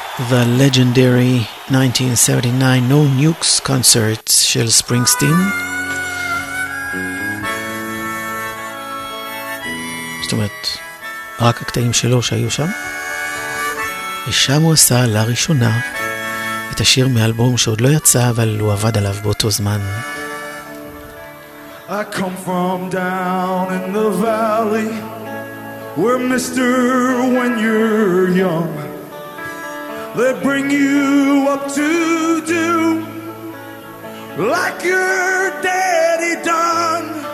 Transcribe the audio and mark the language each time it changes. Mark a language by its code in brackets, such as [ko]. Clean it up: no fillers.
[en] The legendary 1979 No Nukes concert [he] של ספרינגסטין. זאת אומרת, רק הקטעים שלו שהיו שם. ושם הוא עשה לראשונה את השיר מאלבום שעוד לא יצא, אבל הוא עבד עליו באותו זמן. [en] I come from down in the valley where mister when you're young they bring you up to do like your daddy done.